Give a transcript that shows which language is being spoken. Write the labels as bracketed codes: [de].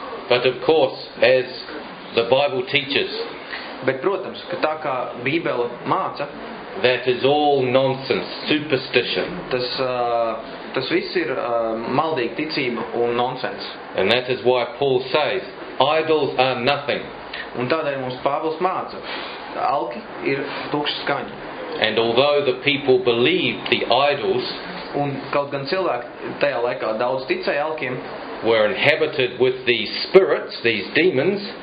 [en] But of course, as the Bible teaches, [lv] bet protams, ka tā kā Bībele māca, [en] that is all nonsense, superstition. [lv] Tas viss ir maldīga ticība un nonsense. [en] And that is why Paul says, idols are nothing. [lv] Un tādēļ mums Pāvils māca, elki ir tukša skaņa. [en] And although the people believed the idols, [lv] un kaut gan cilvēki tajā laikā daudz ticēja elkiem, [en] were inhabited with these spirits, these demons,